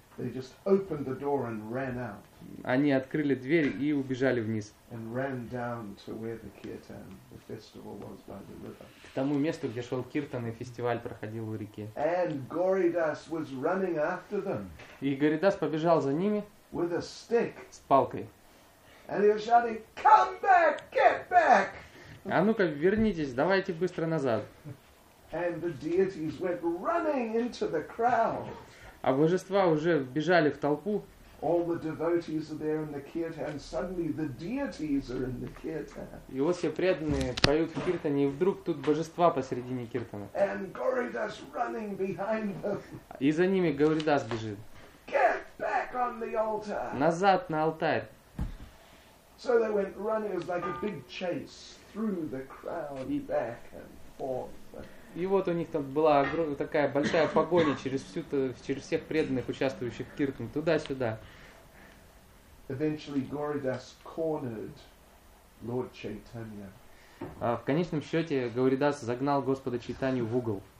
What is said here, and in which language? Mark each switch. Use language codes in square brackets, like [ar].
[en] They just opened the door and ran out. [ru] Они открыли дверь и убежали вниз. [en] And ran down to where the kirtan, the festival was by the river. [ru] К тому месту, где шел киртан и фестиваль проходил у реки. [en] And Gauridas was running after them. [ru] И Гауридас побежал за ними. [en] With a stick. [ru] С палкой. [en] And he was shouting, "Come back, get back!" [ru] А ну-ка вернитесь, давайте быстро назад. [en] And the deities went running into the crowd. [ru] А божества уже бежали в толпу. [en] All the devotees are there in the kirtan. Suddenly the deities are in the kirtan. [ru] И вот все преданные поют в киртане, и вдруг тут божества посередине киртана. [en] And Gauridas running behind them. [ru] И за ними Гауридас бежит. [en] Get back on the altar. [ru] Назад на алтарь. [en] So they went running. It was like a big chase through the crowd, back and forth. [ru] И вот у них там была такая большая погоня через всех преданных, участвующих в киртане, туда-сюда. [en] Eventually Gauridas cornered Lord Chaitanya. [ru] В конечном счете Гауридас загнал Господа Чайтанью в угол.